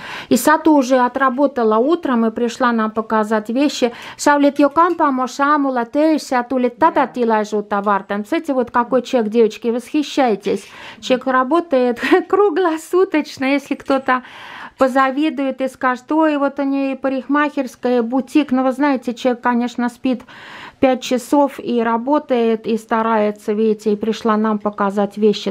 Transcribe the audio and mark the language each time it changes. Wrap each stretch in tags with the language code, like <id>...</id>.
<ru>И Сату уже отработала утром и пришла нам показать вещи.</ru> <fi>Sä olit jo kampaamossa aamulla töissä ja tulit tätä tilaisuutta varten.</fi> <ru>Смотрите, вот какой человек, девочки, восхищайтесь. Человек работает круглосуточно, если кто-то позавидует и скажет, ой, вот у нее и парикмахерская, и бутик. Но вы знаете, человек, конечно, спит 5 часов и работает, и старается, видите, и пришла нам показать вещи.</ru>